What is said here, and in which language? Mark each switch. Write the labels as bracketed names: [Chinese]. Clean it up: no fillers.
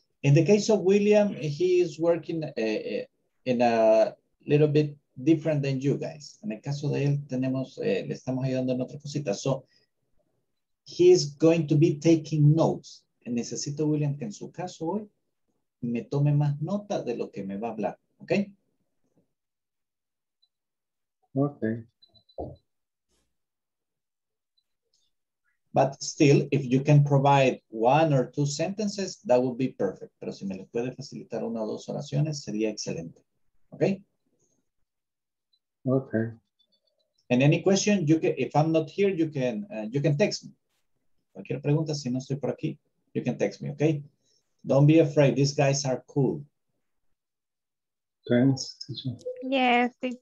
[English] In the case of William, he is working in a little bit different than you guys. [Spanish] En el caso de él, le estamos ayudando en otra cosita. [English] So, he is going to be taking notes. [Spanish] Necesito, William, que en su caso hoy me tome más nota de lo que me va a hablar. [English] Okay? Okay. But still, if you can provide one or two sentences, that would be perfect. [Spanish] Pero si me les puede facilitar una o dos oraciones, sería excelente. [English] Okay? Okay. And any question, if I'm not here, you can text me. [Spanish] Cualquier pregunta, si no estoy por aquí, [English] you can text me, okay? Don't be afraid. These guys are cool. Thanks. Yes.